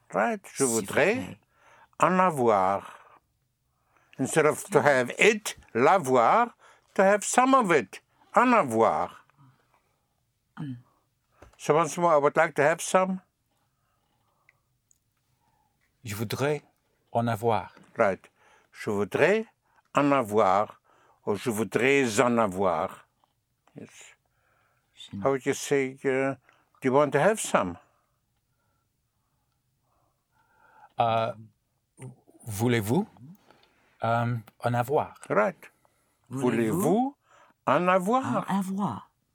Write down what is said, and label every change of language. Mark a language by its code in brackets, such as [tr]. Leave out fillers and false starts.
[en] Right. [fr] Je voudrais en avoir. [en] Instead of to have it, [fr] l'avoir, [en] to have some of it, [fr] en avoir. [en] So once more, I would like to have some. [fr] Je voudrais en avoir. [en] Right. [fr] Je voudrais en avoir, or je voudrais en avoir. [en] Yes. How would you say, do you want to have some? [fr] Voulez-vous en avoir? [en] Right. [fr] Voulez-vous en avoir? En avoir.